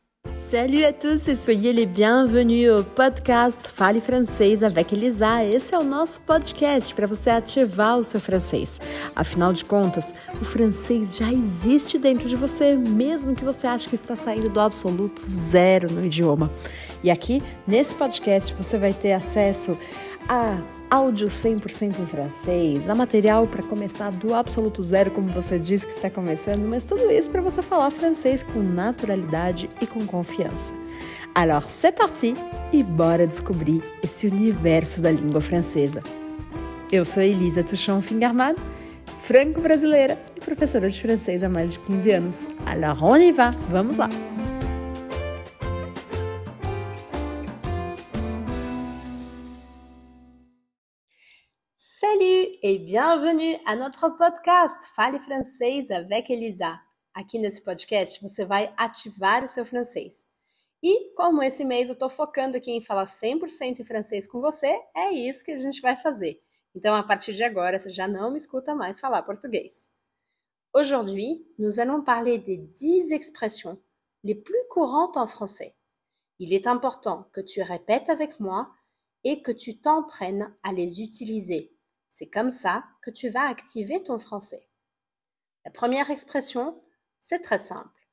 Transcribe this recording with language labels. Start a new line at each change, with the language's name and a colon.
French: Salut à tous et soyez les bienvenus au podcast Fale Francês avec Elisa.
Portuguese: Esse é o nosso podcast para você ativar o seu francês. Afinal de contas, o francês já existe dentro de você, mesmo que você ache que está saindo do absoluto zero no idioma. E aqui, nesse podcast, você vai ter acesso a áudio 100% em francês, a material para começar do absoluto zero, como você disse que está começando, mas tudo isso para você falar francês com naturalidade e com confiança.
French: Alors, c'est parti
Portuguese: e bora descobrir esse universo da língua francesa. Eu sou Elisa Touchon Fingarmad, franco-brasileira e professora de francês há mais de 15 anos.
French: Alors, on y va,
Portuguese: vamos lá!
French: Salut et bienvenue à notre podcast Fale Francês avec Elisa.
Portuguese: Aqui nesse podcast você vai ativar o seu francês. E como esse mês eu estou focando aqui em falar 100% em francês com você, é isso que a gente vai fazer. Então a partir de agora você já não me escuta mais falar português.
French: Aujourd'hui, nous allons parler des 10 expressions les plus courantes en français. Il est important que tu répètes avec moi et que tu t'entraînes à les utiliser. C'est comme ça que tu vas activer ton français. La première expression, c'est très simple.